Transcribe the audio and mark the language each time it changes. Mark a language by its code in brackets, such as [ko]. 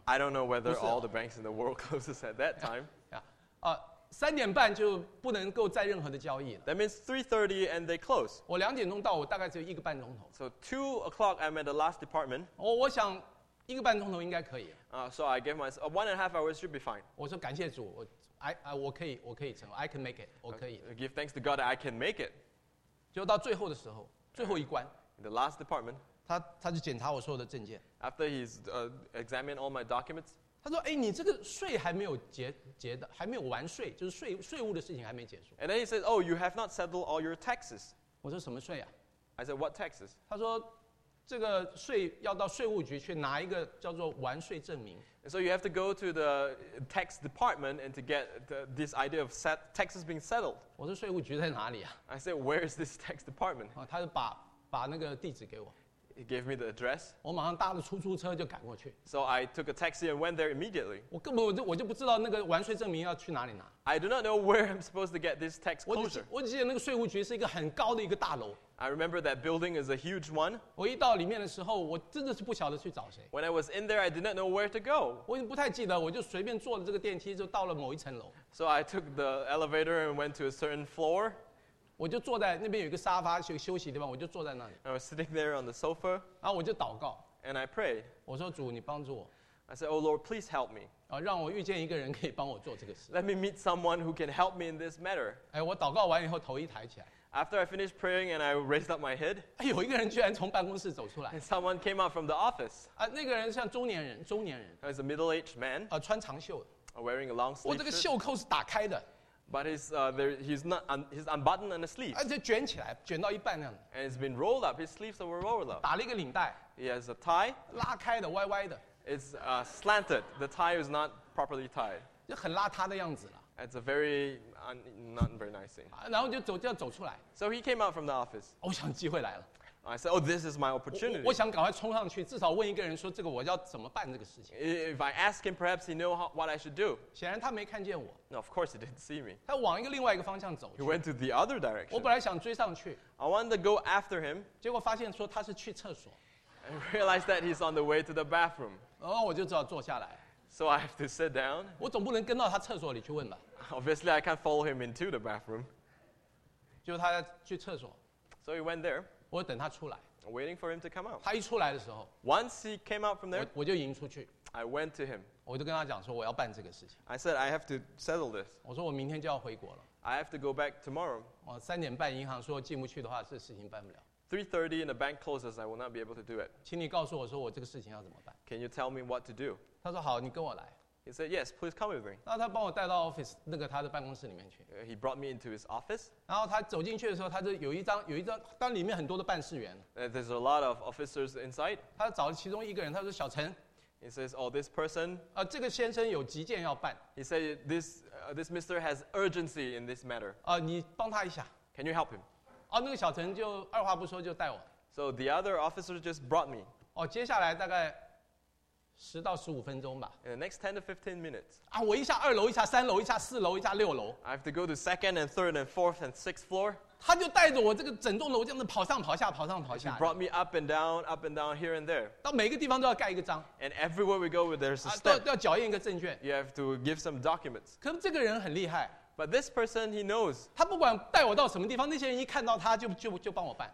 [en] I don't know whether all the banks in the world closes at that time. [zh] 三点半就不能够再任何的交易了。 [en] That means 3:30 and they close. [zh] 我两点钟到，我大概只有一个半钟头。 [en] So 2 o'clock, I'm at the last department. [zh] 我想一个半钟头应该可以。 [en] So I gave myself one and a half hours should be fine. [zh] 我说感谢主，我可以成功， [en] I can make it, [zh] 我可以。 [en] Give thanks to God that I can make it. [zh] 就到最后的时候，最后一关。 [en] The last department. [zh] 他就检查我所有的证件。 [en] After he's examined all my documents. [zh] 他说：“你这个税还没有结的，还没有完税，就是税务的事情还没结束。” [en] And then he says, "Oh, you have not settled all your taxes." [zh] 我说：“什么税啊？” [en] I said, "What taxes?" [zh] 他说：“这个税要到税务局去拿一个叫做完税证明。” [en] And so you have to go to the tax department and to get this idea of taxes being settled. [zh] 我说：“税务局在哪里啊？” [en] I said, "Where is this tax department?" [zh] 他就把那个地址给我。 [en] He gave me the address. [zh] 我马上搭了出租车就赶过去。 [en] So I took a taxi and went there immediately. [zh] 我根本就不知道那个完税证明要去哪里拿。 [en] I do not know where I'm supposed to get this tax closure. [zh] 我只记得那个税务局是一个很高的一个大楼。 [en] I remember that building is a huge one. [zh] 我一到里面的时候，我真的是不晓得去找谁。 [en] When I was in there, I did not know where to go. [zh] 我已经不太记得，我就随便坐了这个电梯就到了某一层楼。 [en] So I took the elevator and went to a certain floor. [zh] 我就坐在那边有一个沙发，有休息的地方，我就坐在那里。 [en] I was sitting there on the sofa. [zh] 然后我就祷告。 [en] And I prayed. [zh] 我说主，你帮助我。 [en] I said, Oh Lord, please help me. [zh] 让我遇见一个人可以帮我做这个事。 [en] Let me meet someone who can help me in this matter. [zh] 我祷告完以后，头一抬起来。 [en] After I finished praying and I raised up my head. [zh] 有一个人居然从办公室走出来。 [en] And someone came out from the office. [zh] 那个人像中年人。 [en] He was a middle-aged man. [zh] 穿长袖。 [en] Wearing a long sleeve. [zh] 我这个袖扣是打开的。 [en] But he's unbuttoned and asleep. [zh] 就卷起来，卷到一半那样。 [en] And it's been rolled up. His sleeves were rolled up. [zh] 打了一个领带。 [en] He has a tie. [zh] 拉开的，歪歪的。 [en] It's slanted. The tie is not properly tied. [zh] 就很邋遢的样子了。 [en] It's a very not very nice thing. [zh] 然后就走出来。 [en] So he came out from the office. [zh] 我想机会来了。 [en] I said, Oh, this is my opportunity. [zh] 我想赶快冲上去，至少问一个人说这个我要怎么办这个事情。 [en] If I ask him, perhaps he knows what I should do. [zh] 显然他没看见我。 [en] No, of course he didn't see me. [zh] 他往一个另外一个方向走。 [en] He went to the other direction. [zh] 我本来想追上去。 [en] I wanted to go after him. [zh] 结果发现说他是去厕所。 [en] I realized that he's on the way to the bathroom. [zh] 然后我就只好坐下来。 [en] So I have to sit down. [zh] 我总不能跟到他厕所里去问吧。 [en] Obviously, I can't follow him into the bathroom. [zh] 就他去厕所。 [en] So he went there. [zh] 我等他出来。 [en] Waiting for him to come out. [zh] 他一出来的时候。 [en] Once he came out from there. [zh] 我就迎出去。 [en] I went to him. [zh] 我就跟他讲说我要办这个事情。 [en] I said I have to settle this. [zh] 我说我明天就要回国了。 [en] I have to go back tomorrow. [zh] 我三点半银行说进不去的话，这事情办不了。 [en] 3:30 and the bank closes, I will not be able to do it. [zh] 请你告诉我说我这个事情要怎么办。 [en] Can you tell me what to do? [zh] 他说好，你跟我来。 [en] He said yes, please come with me. [zh] 然后他帮我带到 office 那个他的办公室里面去。 [en] He brought me into his office. [zh] 然后他走进去的时候，他就有一张，当里面很多的办事员。 [en] There's a lot of officers inside. [zh] 他找了其中一个人，他说小陈。 [en] He says, oh, this person. [zh] 这个先生有急件要办。 [en] He said this Mr. has urgency in this matter. [zh] 你帮他一下。 [en] Can you help him? [zh] 那个小陈就二话不说就带我。 [en] So the other officer just brought me. [zh] 接下来大概10到15分钟吧。 [en] In the next 10 to 15 minutes. [zh] 我一下二楼，一下三楼，一下四楼，一下六楼。 [en] I have to go to second and third and fourth and sixth floor. [zh] 他就带着我这个整栋楼这样子跑上跑下，跑上跑下。 [en] He brought me up and down, here and there. [zh] 到每个地方都要盖一个章。 [en] And everywhere we go, there's a step. [zh] 都要脚印一个证券。 [en] You have to give some documents. [zh] 可这个人很厉害。 [en] But this person, he knows. [zh] 他不管带我到什么地方，那些人一看到他就帮我办。